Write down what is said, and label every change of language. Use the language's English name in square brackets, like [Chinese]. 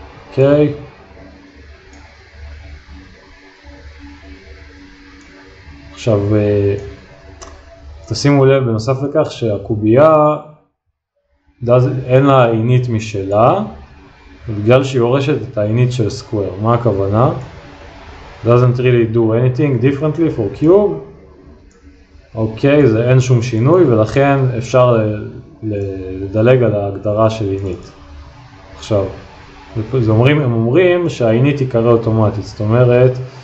[Hebrew] אוקיי, עכשיו תשימו לב בנוסף לכך שהקובייה אין לה אינית משלה, בגלל שהיא יורשת את האינית של סקוואר. מה הכוונה? [English] doesn't really do anything differently for cube. [Hebrew] אוקיי, זה אין שום שינוי, ולכן אפשר לדלג על ההגדרה של אינית. עכשיו, הם אומרים שהאינית תיקרא אוטומטית, זאת אומרת